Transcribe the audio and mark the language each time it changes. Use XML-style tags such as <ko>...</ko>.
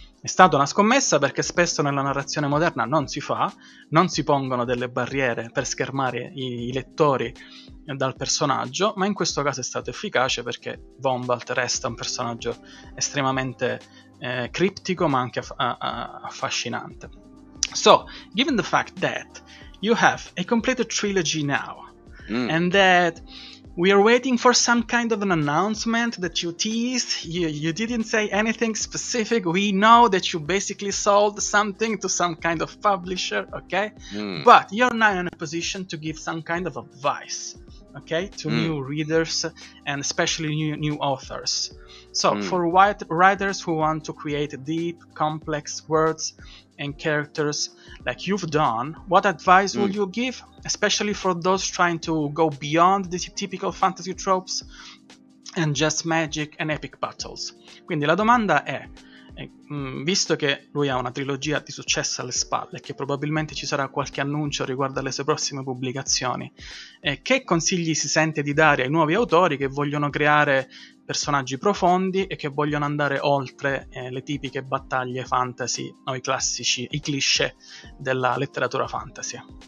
<it>È stata una scommessa perché spesso nella narrazione moderna non si pongono delle barriere per schermare i lettori dal personaggio, ma in questo caso è stato efficace perché Von Vault resta un personaggio estremamente criptico, ma anche affascinante.</it> <en>So, given the fact that you have a completed trilogy now, and that we are waiting for some kind of an announcement that you teased, you didn't say anything specific, we know that you basically sold something to some kind of publisher, okay? But you're not in a position to give some kind of advice, okay, to new readers and especially new authors. So for white writers who want to create deep, complex worlds and characters like you've done, what advice would you give, especially for those trying to go beyond the typical fantasy tropes and just magic and epic battles?</en> <it>Quindi la domanda è, visto che lui ha una trilogia di successo alle spalle e che probabilmente ci sarà qualche annuncio riguardo alle sue prossime pubblicazioni, che consigli si sente di dare ai nuovi autori che vogliono creare personaggi profondi e che vogliono andare oltre le tipiche battaglie fantasy o i classici, i cliché della letteratura fantasy?</it>